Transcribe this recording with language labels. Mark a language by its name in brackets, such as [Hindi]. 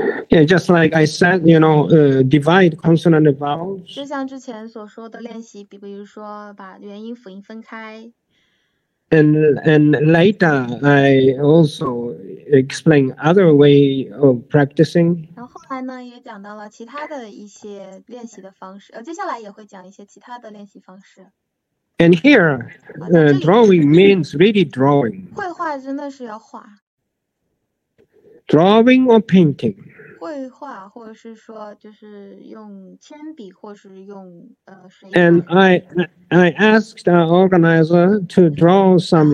[English] Yeah, just like I said, you know, divide consonant and vowels. [Chinese] 就像之前所说的练习，比如说把元音辅音分开。 [English] And later I also explain other way of practicing. [Chinese] 然后后来呢，也讲到了其他的一些练习的方式。接下来也会讲一些其他的练习方式。 [English] And here, drawing means really drawing. [Chinese] 绘画真的是要画。 [English] Drawing or painting? [Chinese] 绘画或者是说就是用铅笔或是用水。 [English] And I asked our organizer to draw some.